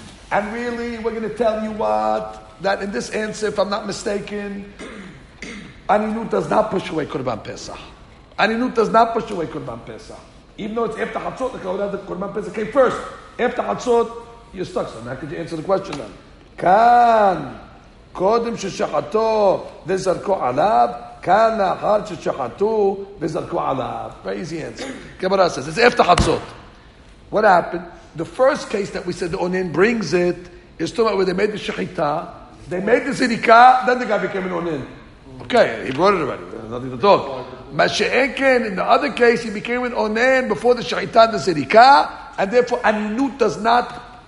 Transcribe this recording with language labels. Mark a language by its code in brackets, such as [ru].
[en] And really, we're going to tell you what, that in this answer, if I'm not mistaken, Aninut does not push away Korban Pesach. Aninut does not push away Korban Pesach. Even though it's after Chatzot, the Korban Pesach came first. After Chatzot, you're stuck. So now could you answer the question then? [he] כאן קודם ששחטו וזרקו עליו, כאן לאחר ששחטו וזרקו עליו. [en] Very easy answer. Gemara says, it's after Chatzot. What happened? The first case that we said the Onen brings it is to where they made the Shechita, they made the Zirikah, then the guy became an Onen. Okay, he brought it already. There's nothing to talk. Masha'enken, in the other case, he became an Onen before the Shechita and the Zirikah, and therefore Aninut does not...